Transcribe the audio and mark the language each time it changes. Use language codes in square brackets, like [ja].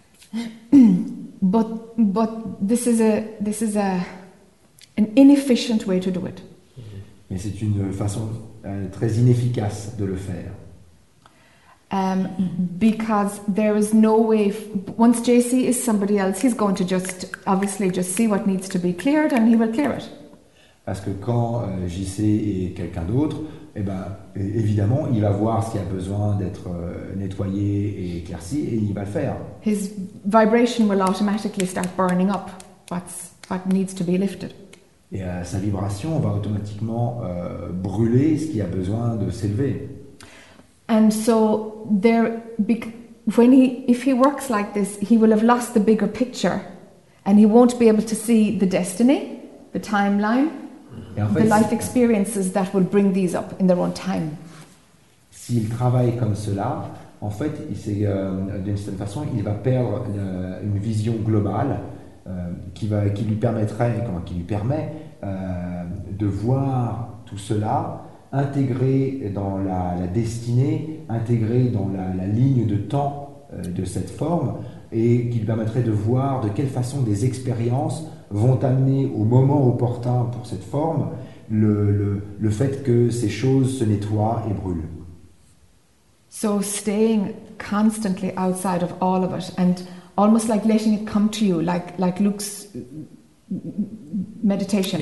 [en] But this is an inefficient way to do it. [fr] Mais c'est une façon très inefficace de le faire. [en] Because there is no way, once JC is somebody else, he's going to just obviously just see what needs to be cleared and he will clear it. [fr] Parce que quand JC est quelqu'un d'autre, eh ben, évidemment, il va voir ce qui a besoin d'être nettoyé et éclairci et il va le faire. [en] His vibration will automatically start burning up what needs to be lifted. [fr] Et sa vibration va automatiquement brûler ce qui a besoin de s'élever. [en] And so there, when he, if he works like this, he will have lost the bigger picture, and he won't be able to see the destiny, the timeline, the life experiences that will bring these up in their own time. [fr] S'il travaille comme cela, en fait, d'une certaine façon, il va perdre une vision globale qui lui permet de voir tout cela intégré dans la destinée, intégré dans la ligne de temps de cette forme, et qui lui permettrait de voir de quelle façon des expériences vont amener au moment opportun pour cette forme le fait que ces choses se nettoient et brûlent. [en] So staying constantly outside of all of it, and almost like letting it come to you, like Luke's meditation.